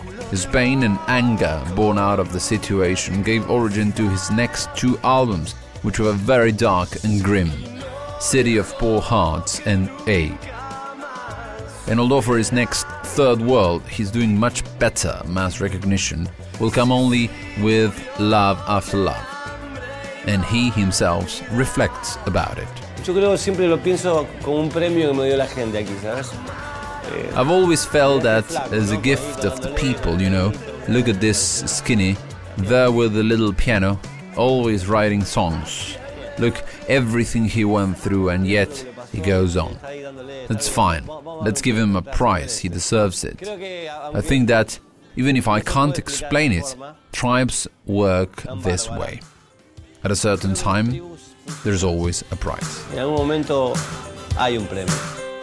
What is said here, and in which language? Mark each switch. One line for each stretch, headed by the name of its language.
English: His pain and anger born out of the situation gave origin to his next 2 albums, which were very dark and grim, City of Poor Hearts and A. And although for his next Third World he's doing much better, mass recognition will come only with Love After Love. And he himself reflects about it.
Spanish: Yo creo siempre lo pienso como un premio que me dio la gente aquí, ¿sabes?
English: I've always felt that as a gift of the people, you know. Look at this skinny, there with the little piano, always writing songs. Look, everything he went through and yet he goes on. That's fine. Let's give him a prize. He deserves it. I think that even if I can't explain it, tribes work this way. At a certain time, there's always a prize.
Spanish: En algún momento hay un premio.